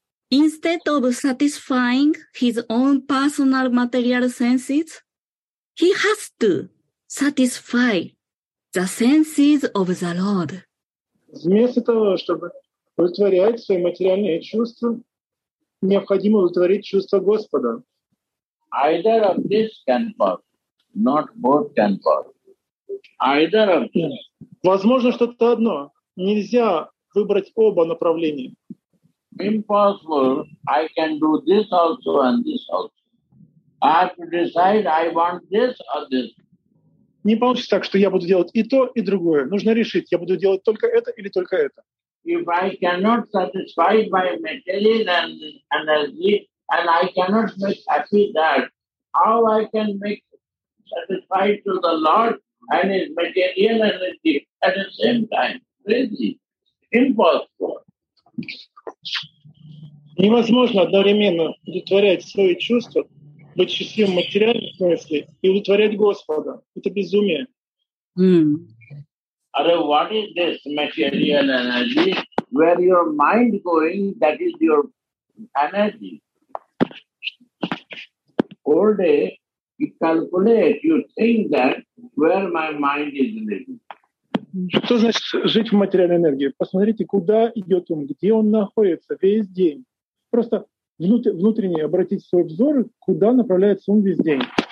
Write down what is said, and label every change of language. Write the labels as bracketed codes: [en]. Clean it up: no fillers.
[en] Instead of satisfying his own personal material senses, he has to satisfy the senses of the Lord. [ru] Вместо того, чтобы удовлетворять свои материальные чувства, необходимо удовлетворить чувства Господа. [en] Either of this can work, not both can work. Either of this. [ru] Возможно, что-то одно. Нельзя выбрать оба направления. [en] Impossible. I can do this also and this also. I have to decide I want this or this. [ru] Не получится так, что я буду делать и то, и другое. Нужно решить, я буду делать только это или только это. [en] If I cannot satisfy my material energy and I cannot make happy that, how I can make satisfied to the Lord and his material energy at the same time? Crazy. Impossible. [ru] Невозможно одновременно удовлетворять свои чувства, быть счастливым в материальном смысле и удовлетворять Господа. Это безумие. [en] Are what is this material energy? Where your mind going, that is your energy. All day you calculate, you think that where my mind is living. [ru] Что значит жить в материальной энергии? Посмотрите, куда идет ум, где он находится весь день. Просто внутренне обратите свой взор, куда направляется ум весь день.